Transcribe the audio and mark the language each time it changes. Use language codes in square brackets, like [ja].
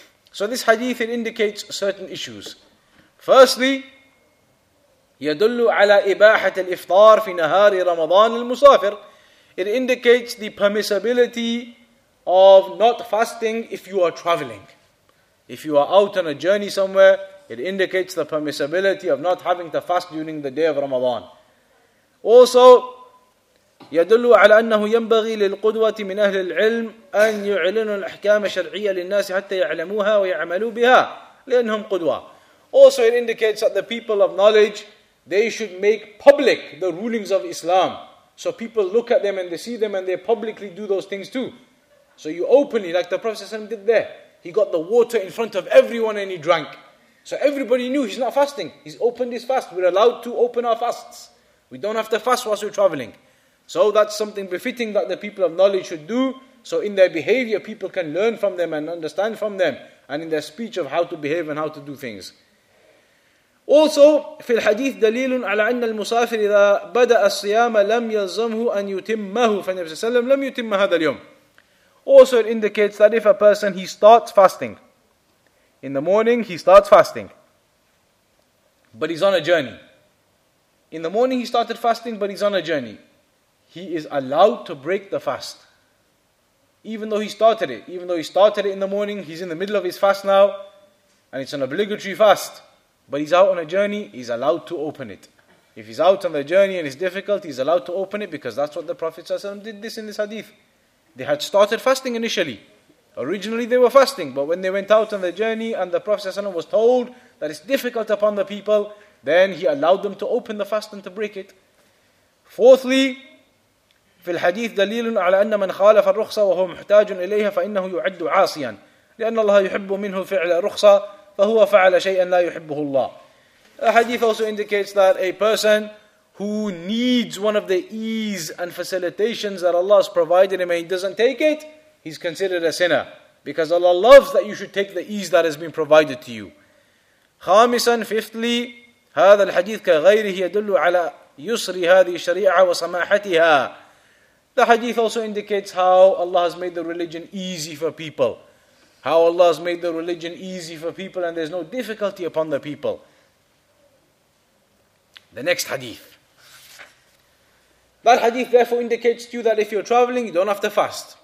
[en] So this hadith, it indicates certain issues. Firstly, [ar] يَدُلُّ عَلَىٰ إِبَاحَةِ الْإِفْطَارِ فِي نَهَارِ رَمَضَانِ الْمُسَافِرِ, [en] it indicates the permissibility of not fasting if you are traveling. If you are out on a journey somewhere, it indicates the permissibility of not having to fast during the day of Ramadan. Also, [ar] يدل على أنه ينبغي للقدوة من أهل العلم أن يعلنوا الأحكام الشرعية للناس حتى يعلموها ويعملوا بها لأنهم قدوة. [en] Also it indicates that the people of knowledge, they should make public the rulings of Islam. So people look at them and they see them and they publicly do those things too. So you openly, like the Prophet ﷺ did there. He got the water in front of everyone and he drank. So everybody knew he's not fasting. He's opened his fast. We're allowed to open our fasts. We don't have to fast whilst we're traveling. So that's something befitting that the people of knowledge should do. So in their behavior, people can learn from them and understand from them. And in their speech of how to behave and how to do things. Also, [ar] في الحديث دليل على أن المسافر إذا بدأ الصيام لم يلزمه أن يتمه فالنبي صلى الله عليه وسلم لم يتم هذا اليوم. [en] Also, it indicates that if a person he starts fasting in the morning, he starts fasting, but he's on a journey. In the morning, he started fasting, but he's on a journey. He is allowed to break the fast, even though he started it. Even though he started it in the morning, he's in the middle of his fast now, and it's an obligatory fast. But he's out on a journey, he's allowed to open it. If he's out on the journey and it's difficult, he's allowed to open it, because that's what the Prophet ﷺ did this in this hadith. They had started fasting initially. Originally they were fasting, but when they went out on the journey and the Prophet ﷺ was told that it's difficult upon the people, then he allowed them to open the fast and to break it. Fourthly, [ar] في الحديث دليل على أن من خالف الرخصة وهو محتاج إليها فإنه يعد عاصيا لأن الله يحب منه فعل الرخصة فهو فعل شيئا لا يحبه الله. [en] A hadith also indicates that a person who needs one of the ease and facilitations that Allah has provided him and he doesn't take it, he's considered a sinner, because Allah loves that you should take the ease that has been provided to you. [ar] خامسا, [en] fifthly, [ar] هذا الحديث كغيره يدل على يسر هذه الشريعة وسماحتها. [en] The hadith also indicates how Allah has made the religion easy for people. How Allah has made the religion easy for people and there's no difficulty upon the people. The next hadith. That hadith therefore indicates to you that if you're traveling, you don't have to fast.